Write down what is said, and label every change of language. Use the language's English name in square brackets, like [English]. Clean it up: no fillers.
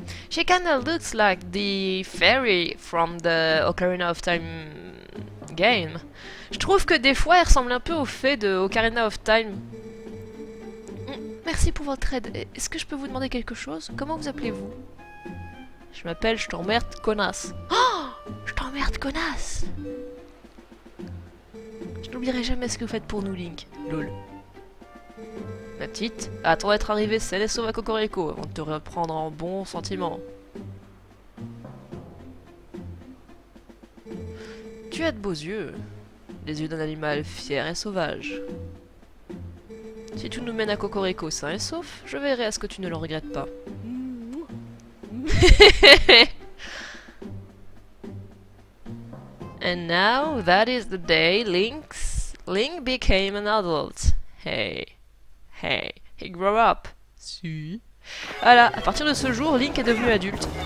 [English] She kinda looks like the fairy from the Ocarina of Time game. [French] Je trouve que des fois, elle ressemble un peu aux fées de Ocarina of Time. Merci pour votre aide. Est-ce que je peux vous demander quelque chose? Comment vous appelez-vous? Je m'appelle, je t'emmerde, connasse. Oh! Je t'emmerde, connasse! Je n'oublierai jamais ce que vous faites pour nous, Link. Lol. Ma petite, attends d'être arrivée saine et sauve à Cocorico avant de te reprendre en bon sentiment. Tu as de beaux yeux, les yeux d'un animal fier et sauvage. Si tu nous mènes à Cocorico sain et sauf, je veillerai à ce que tu ne le regrettes pas. [English] And now that is the day Link became an adult. Hey. Hey, he grew up. Si. [French] Voilà, à partir de ce jour, Link est devenu adulte.